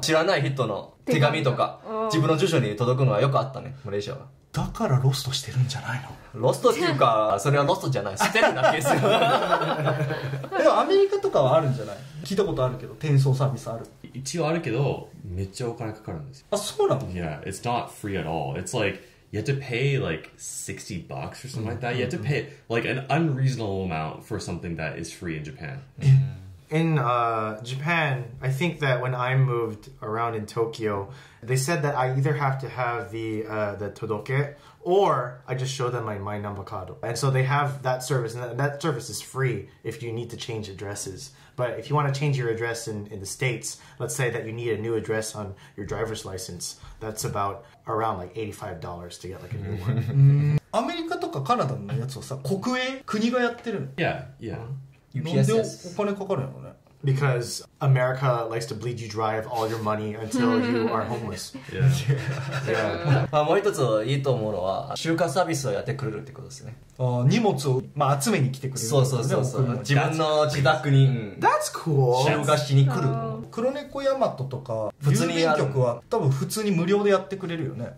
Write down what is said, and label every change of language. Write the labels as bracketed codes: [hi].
[ja] 知らない人の手紙とか自分の住所に届くのはよくあったね、マレーシアは。だからロストしてるんじゃないの？ロストっていうか、それはロストじゃない。捨てるだけですよ。でもアメリカとかはあるんじゃない？聞いたことあるけど、転送サービスある。一応あるけど、めっちゃお金かかるんですよ。あ、そうなの？ [en] Yeah, it's not free at all. It's like... You have to pay like $60 or something like that. You have to pay like an unreasonable amount for something that is free in Japan. In Japan, I think that when I moved around in Tokyo, they said that I either have to have the todoke or I just show them my number card. And so they have that service, and that service is free if you need to change addresses. But if you want to change your address in the States, let's say that you need a new address on your driver's license, that's aboutaround like $85 to get like a new one. [ja] アメリカとかカナダのやつをさ、国営国がやってる。 [en] Yeah, yeah. UPSS. [ja] なんでお金かかるのね。 [en] Because America likes to bleed you dry of all your money until you are homeless. Yeah. [ja] Yeah. まあもう一ついいと思うのは、集荷サービスをやってくれるってことですね。あ、荷物をまあ集めに来てくれる、ね。そうそうそうそう。自分の自宅に。 [en] That's cool. [ja] 集荷しに来る。黒猫ヤマトとか郵便局は多分普通に無料でやってくれるよね。